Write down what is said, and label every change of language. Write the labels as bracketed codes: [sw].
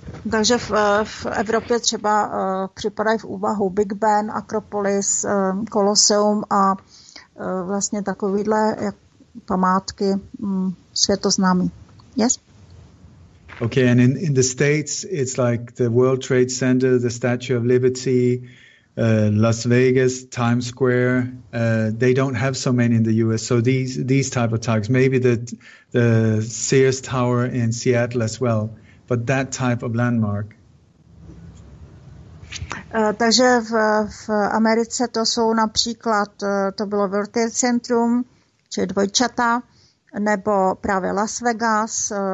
[cs] Takže v Evropě třeba připadají v úvahu Big Ben, Acropolis, Colosseum a vlastně takovýhle památky světoznámý. [en] Yes? Okay, and in the States, it's like the World Trade Center, the Statue of Liberty, Las Vegas, Times Square, they don't have so many in the US. So these type of targets, maybe the Sears Tower in Seattle as well, but that type of landmark. [cs] Takže v Americe to jsou například, to bylo World Trade Centrum, či dvojčata, nebo právě Las Vegas.